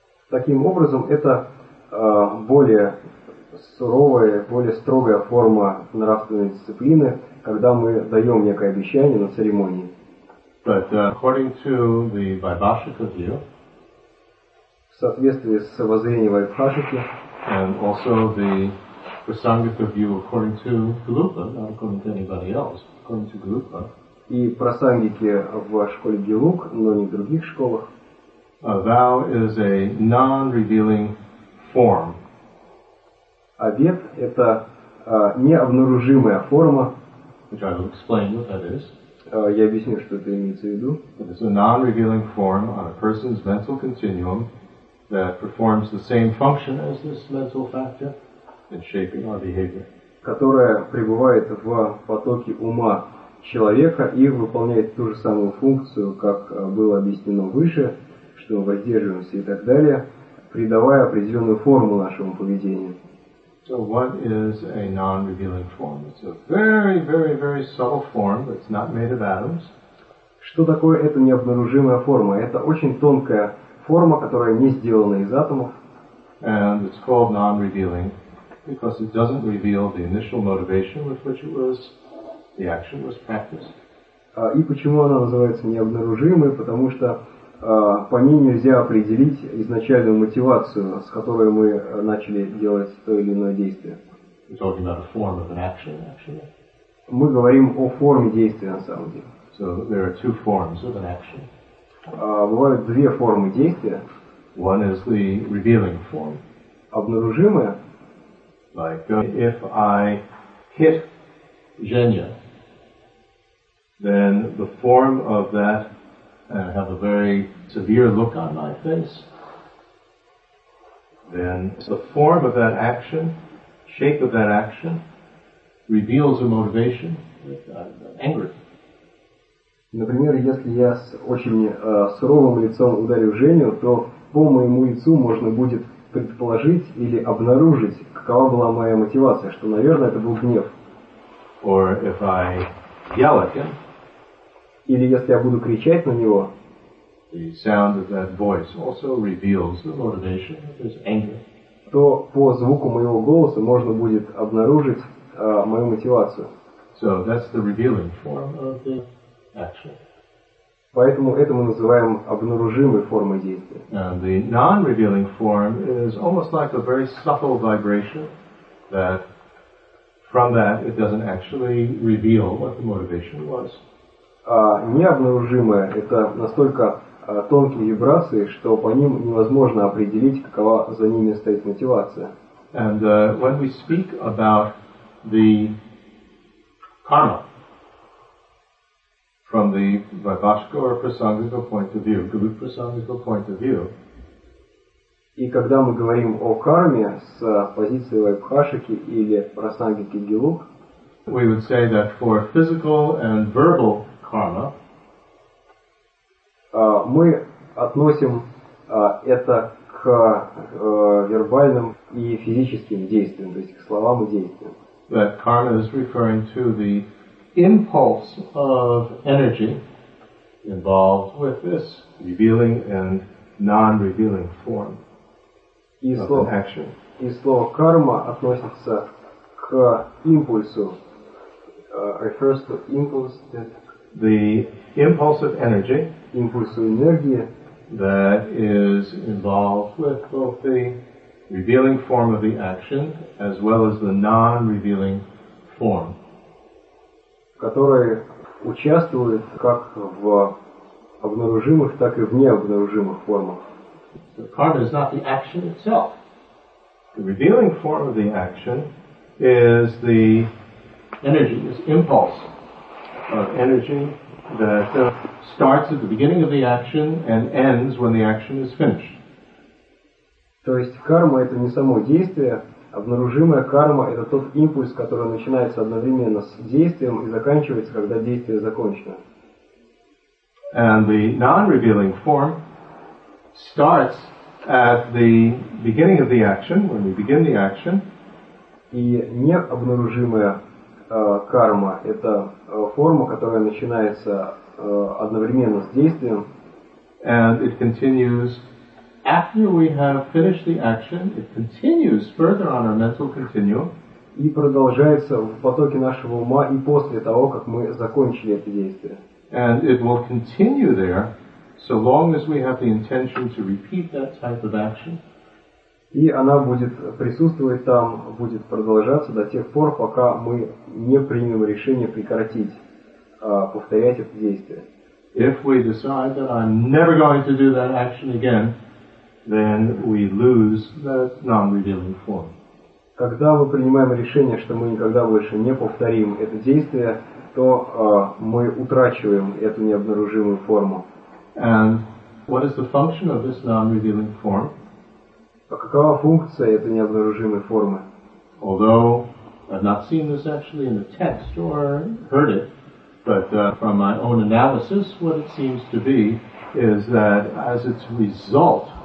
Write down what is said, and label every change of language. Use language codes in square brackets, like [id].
[ru] Таким образом, это более суровая, более строгая форма нравственной дисциплины, когда мы даем некое обещание на церемонии. [en] But according to the Vaibhashika view, [ru] в соответствии с воззрением Вайбхашики, [en] and also the Prasangika view according to Galupa, not according to anybody else, according to Galupa, [ru] и Прасангики в школе Гелук, но не в других школах, [en] a vow is a non-revealing form. [ru] Обет — это необнаружимая форма. [en] Which I will explain what that is. [ru] Я объясню, что это имеется в виду. [en] It is a non-revealing form on a person's mental continuum that performs the same function as this mental factor in shaping our behavior. [ru] Которая пребывает в потоке ума человека и выполняет ту же самую функцию, как было объяснено выше, что мы воздерживаемся и так далее, придавая определенную форму нашему поведению. [en] So what is a non-revealing form? It's a very, very, very subtle form that's not made of atoms. [ru] Что такое эта необнаружимая форма? Это очень тонкая форма, которая не сделана из атомов. [en] And it's called non-revealing because it doesn't reveal the initial motivation with which it was, the action was practiced. [ru] И почему она называется необнаружимой? Потому что по ней нельзя определить изначальную мотивацию, с которой мы начали делать то или иное действие. [en] We're talking about a form of an action, actually. [ru] Мы говорим о форме действия на самом деле. [en] So there are two forms of an action. [ru] Бывают две формы действия. [en] One is the revealing form. [ru] Обнаружимая. [en] Like if I hit Женя, then the form of that and have a very severe look on my face, then the form of that action, shape of that action, reveals a motivation that I'm angry. [ru] Например, если я с очень суровым лицом ударю Женю, то по моему лицу можно будет предположить или обнаружить, какова была моя мотивация, что, наверное, это был гнев. [en] Or if I yell at him, [ru] или если я буду кричать на него, [en] the sound of that voice also reveals the motivation of his anger. [ru] То по звуку моего голоса можно будет обнаружить мою мотивацию. [en] So that's the revealing form of the action. [ru] Поэтому это мы называем обнаружимой формой действия. [en] And the non-revealing form is almost like a very subtle vibration that from that it doesn't actually reveal what the motivation was. [ru] Необнаружимое — это настолько тонкие вибрации, что по ним невозможно определить, какова за ними стоит мотивация. [en] And when we speak about the karma from the vaibhashika or prasangika point of view, guru prasangika point of view. [ru] И когда мы говорим о карме с позиции вайбхашики или прасангики гилук, [en] we would say that for physical and verbal karma, [ru] мы относим это к вербальным и физическим действиям, то есть к словам и действиям. [en] That karma is referring to the impulse of energy involved with this revealing and non-revealing form. [ru] И слово карма относится к импульсу. [en] Refers to impulse that the impulse of energy, [ru] импульсу энергии, [en] that is involved with both the revealing form of the action as well as the non-revealing form, [ru] который участвует как в обнаружимых, так и в необнаружимых формах. [en] The karma is not the action itself. The revealing form of the action is the energy, this impulse of energy that starts at the beginning of the action and ends when the action is finished. [ru] То есть карма это не само действие. Обнаружимая карма это тот импульс, который начинается одновременно с действием и заканчивается, когда действие закончено. [en] And the non-revealing form starts at the beginning of the action, when we begin the action. [ru] И необнаружимая карма – это форма, которая начинается одновременно с действием. [en] And it continues after we have finished the action. It continues further on our mental continuum. [ru] И продолжается в потоке нашего ума и после того, как мы закончили это действие. [en] And it will continue there so long as we have the intention to repeat that type of action. [ru] И она будет присутствовать там, будет продолжаться до тех пор, пока мы не примем решение прекратить повторять это действие. [en] If we decide that I'm never going to do that action again, then we lose that non-revealing form. [ru] Когда мы принимаем решение, что мы никогда больше не повторим это действие, то мы утрачиваем эту необнаружимую форму. [en] And what is the function of this non-revealing form? [ru] А какова функция этой необнаружимой формы? [en] Although I've not seen this actually in a text or heard it, but from my own analysis, what it seems to be is that as its result.